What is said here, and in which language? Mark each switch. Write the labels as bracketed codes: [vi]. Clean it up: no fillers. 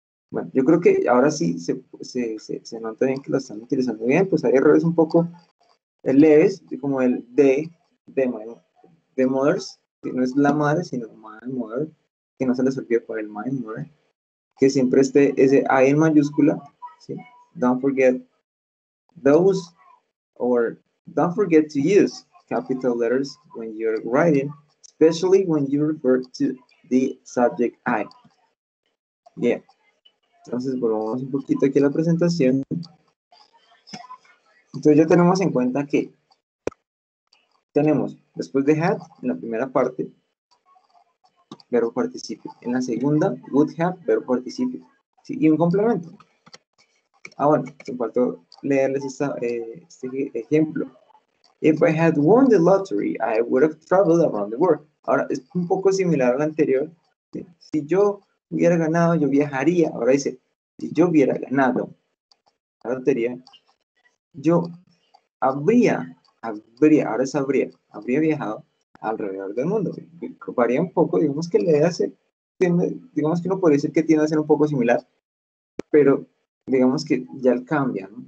[es] Bueno, yo creo que ahora sí se nota bien que lo están utilizando bien, pues hay errores un poco leves, como el de mothers, que no es la madre, sino my mother, que no se les olvide por el my mother, que siempre esté ese I en mayúscula, ¿sí? [en] Don't forget those, or don't forget to use capital letters when you're writing, especially when you refer to the subject I. Yeah. [es] Entonces, volvamos un poquito aquí a la presentación. Entonces, ya tenemos en cuenta que tenemos, después de had, en la primera parte, verbo participio. En la segunda, would have, verbo participio. Sí, y un complemento. Ah, bueno, me faltó leerles esta, este ejemplo. [en] If I had won the lottery, I would have traveled around the world. [es] Ahora, es un poco similar al anterior. Si yo hubiera ganado, yo viajaría. Ahora dice, si yo hubiera ganado la lotería, yo habría viajado alrededor del mundo. Varía un poco, digamos que le hace, digamos que uno podría decir que tiene que ser un poco similar, pero digamos que ya el cambia, ¿no?